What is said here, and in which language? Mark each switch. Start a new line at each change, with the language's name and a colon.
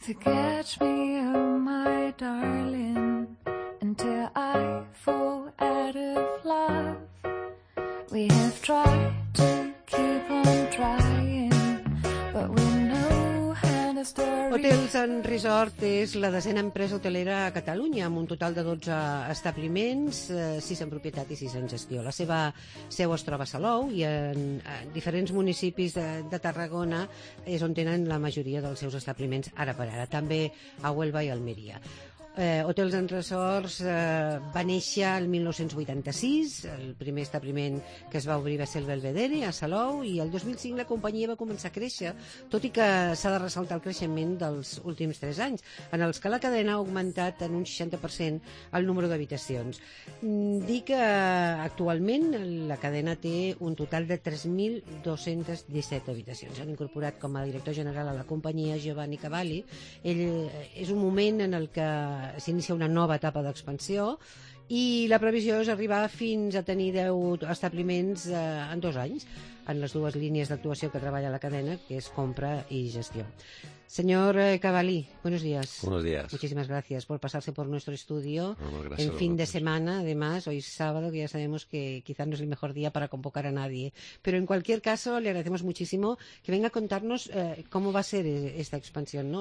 English: to catch me, oh my darling, until I fall out of love. We have tried to keep on trying, but we know how to start.
Catalan: Hotels and Resort és la desena empresa hotelera a Catalunya, amb un total de 12 establiments, 6 en propietat i 6 en gestió. La seva seu es troba a Salou i en diferents municipis de Tarragona és on tenen la majoria dels seus establiments ara per ara, també a Huelva i Almeria. Hotels and Resorts va néixer el 1986, el primer establiment que es va obrir va ser el Belvedere, a Salou, i el 2005 la companyia va començar a créixer, tot i que s'ha de ressaltar el creixement dels últims 3 anys, en els que la cadena ha augmentat en un 60% el número d'habitacions. Dic que actualment la cadena té un total de 3.217 habitacions. S'han incorporat com a director general a la companyia Giovanni Cavalli. Ell és un moment en el que s'inicia una nova etapa d'expansió i la previsió és arribar fins a tenir 10 establiments en 2 anys en les dues línies d'actuació que treballa la cadena, que és compra i gestió.
Spanish: Senyor Cavalli, buenos días. Buenos días. Muchísimas gracias por pasarse por nuestro estudio. Gracias, en fin de semana, además, hoy es sábado, que ya sabemos que quizás no es el mejor día para convocar a nadie. Pero en cualquier caso, le agradecemos muchísimo que venga a contarnos cómo va a ser esta expansión, ¿no?